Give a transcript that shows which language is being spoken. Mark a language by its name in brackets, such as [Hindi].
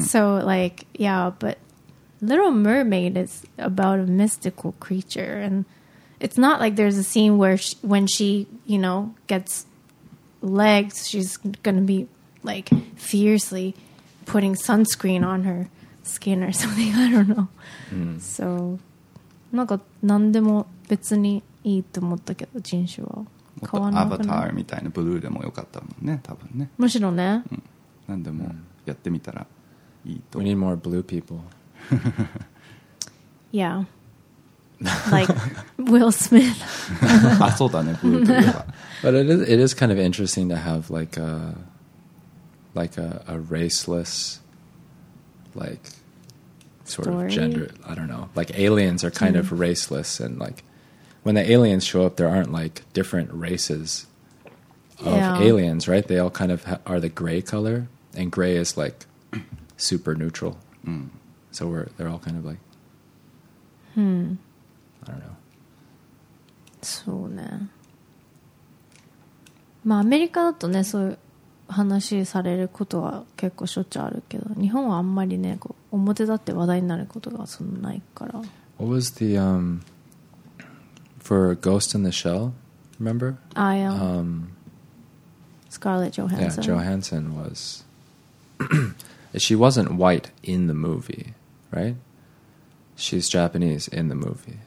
[English] So, like, yeah, but Little Mermaid is about a mystical creature. And it's not like there's a scene where when she, you know, gets legs, she's going to be, like, fiercely putting sunscreen on her skin or something. I don't know. Mm. So... [Japanese] なんか何でも別にいいと思ったけど人種は変わらなくない？もっとアバターみたいなブルーでもよかったもんね多分ねむしろね、うん、何でもやってみたらいいと [English] We need more blue people Yeah Like Will Smith [Japanese] あそうだねブルーといえば [English] But it is kind of interesting to have like a raceless likeSort story? Of gender, I don't know. Like aliens are kind of raceless, and like when the aliens show up, there aren't like different races of aliens, right? They all kind of are the gray color, and gray is like super neutral. Mm. So they're all kind of like, I don't know. [Japanese] そうね。まあアメリカだとね、そういう話されることは結構しょっちゅうあるけど、日本はあんまりね、こう表立って話題になることがそんなないから。 [English] What was the for Ghost in the Shell? Remember? I am. Scarlett Johansson. Yeah, Johansson was. She wasn't white in the movie, right? She's Japanese in the movie.